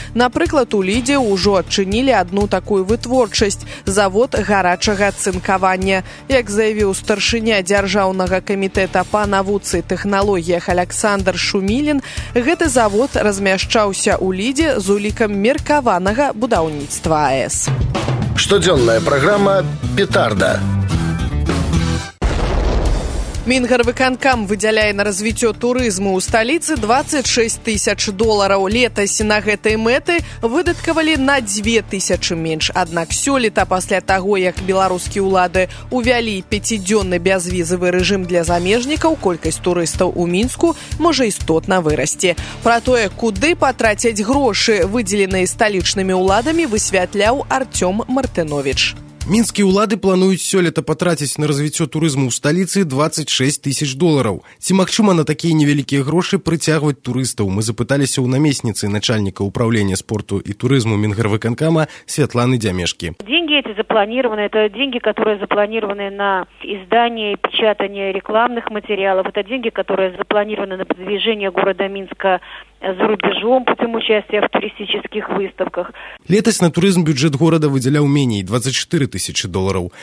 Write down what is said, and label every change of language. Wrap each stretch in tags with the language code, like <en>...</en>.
<be>Напрыклад, у Лідзе ўжо адчынілі адну такую вытворчасць – завод гарачага цынкавання. Як заявіў старшыня Дзяржаўнага камітэта па навуцы тэхналогіях Аляксандр Шумілін, гэты завод размяшчаўся ў Лідзе з улікам меркаванага будаўніцтва АЭС. Штодзённая праграма «Петарда». Мінгарвыканкам выдзяляе на развіццё турызму ў сталіцы 26 тысяч долараў. Летась на гэтай мэты выдаткавалі на 2 тысячы менш. Аднак сёлета, пасля таго, як беларускія ўлады ўвялі 5-дзённы бязвізавы рэжым для замежнікаў, колькасць турыстаў у Мінску можа істотна вырасці. Пра тое, куды патраціць грошы, выдзеленыя сталічнымі ўладамі, высвятляў Артём Мартынович. Мінскія ўлады плануюць сёлета патраціць на развіццё турызму ў сталіцы 26 тысяч долараў. Ці магчыма на такія невялікія грошы прыцягваць турыстаў? Мы запыталіся ў намесніцы начальніка ўправлення спорту і турызму Мінгарвыканкама Святланы Дзямешкі.</be> <ru>Деньги эти запланированы, это деньги, которые запланированы на издание и печатание рекламных материалов, это деньги, которые запланированы на продвижение города Минска за рубежом путем участия в туристических выставках. Летась на туризм бюджет города выделял менее 24 тысячи долларов.</ru>